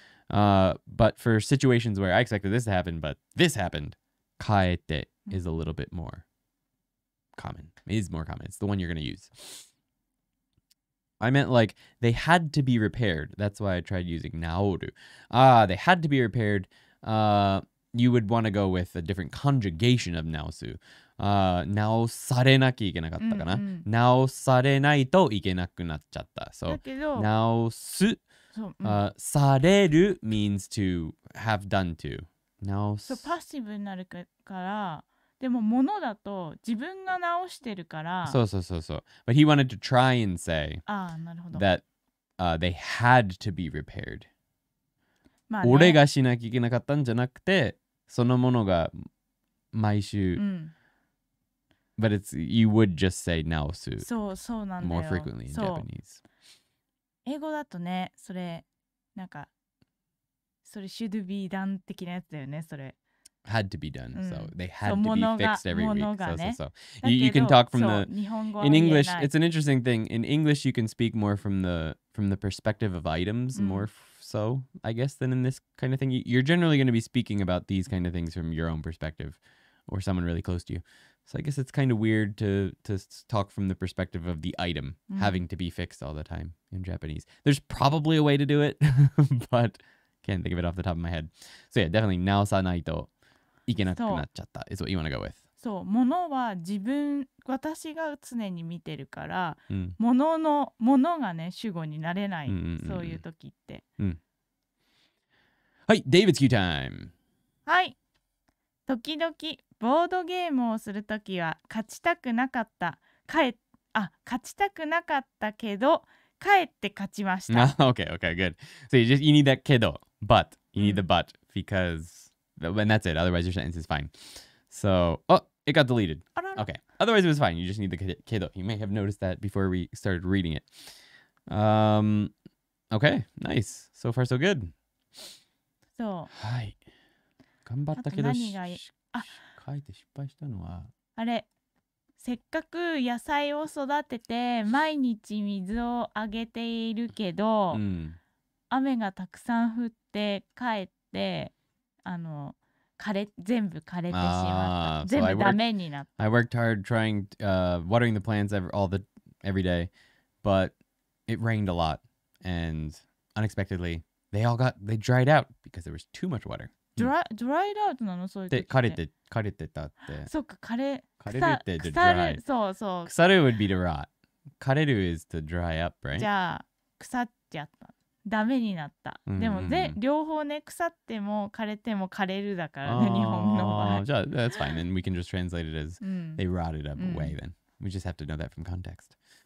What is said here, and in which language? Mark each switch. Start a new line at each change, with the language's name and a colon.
English: But for situations where I expected this to happen, but this happened, kaete is a little bit more common. It is more common. It's the one you're going to use. I meant like they had to be repaired. That's why I tried using 直る.Ah, they had to be repaired. You would want to go with a different conjugation of 直す.
Japanese: 直されなきゃいけなかったかな?直されないといけなくなっちゃった.
English: So 直す,
Japanese: される
English: means to have done to. 直す. So passive
Japanese: になるから。でも物だと自分が直してるから。そうそうそうそう。
English: But he wanted to try and say that they had to be repaired.
Japanese: まあ、ね、俺がしなきゃいけなかったんじゃなくて、そのものが毎週。うん、
English: But it's you would just say 直す。
Japanese: そうそうなんだよ。
English: More frequently in Japanese.
Japanese: 英語だとね、それなんかそれ
English: should be done
Japanese: 的なやつだよね、それ。
English: Had to be done, so they had to be fixed every week. So. You can talk from the in English. It's an interesting thing. In English, you can speak more from the perspective of items, more so, I guess, than in this kind of thing. You're generally going to be speaking about these kind of things from your own perspective, or someone really close to you. So I guess it's kind of weird to talk from the perspective of the item having to be fixed all the time in Japanese. There's probably a way to do it, but can't think of it off the top of my head. So yeah, definitely
Japanese: 直さないと。いけなくなっちゃった
English: is what you want to go with.
Japanese: そう、物は自分、私が常に見てるから、物がね、主語になれない、そういう時って。はい、
English: David's Q time!
Japanese: はい。時々ボードゲームをするときは勝ちたくなかった。勝ちたくなかったけど、かえって勝ちました。
English: Okay, okay, good. So you need that けど, but. You need the but because, and that's it. Otherwise, your sentence is fine. So, it got deleted. Okay. Otherwise, it was fine. You just need the けど. You may have noticed that before we started reading it. Okay, nice. So far, so good. So.
Japanese: はい。頑張ったけど、何がいい? かえて失敗したのは。あれ。せっかく野菜を育てて毎日水をあげているけど、うん、雨がたくさん降ってかえって全部枯れてしまった。全部ダメになった。
English: I worked hard trying watering the plants every day, but it rained a lot and unexpectedly they dried out because there was too much water. Dried out
Japanese: なのそういう時って。で、枯れてたって。そっか、枯れ。枯れるって
English: dry。
Japanese: そうそう。
English: 腐る would be to rot。枯れる is to dry up, right?
Japanese: じゃあ、腐っちゃった。ダメになった。うんうん、でも、ね、両方ね、腐っても枯れても枯れるだからね、日本の場合。じゃあ、
English: that's fine. Then we can just translate it as they rotted up away then. We just have to know that from context.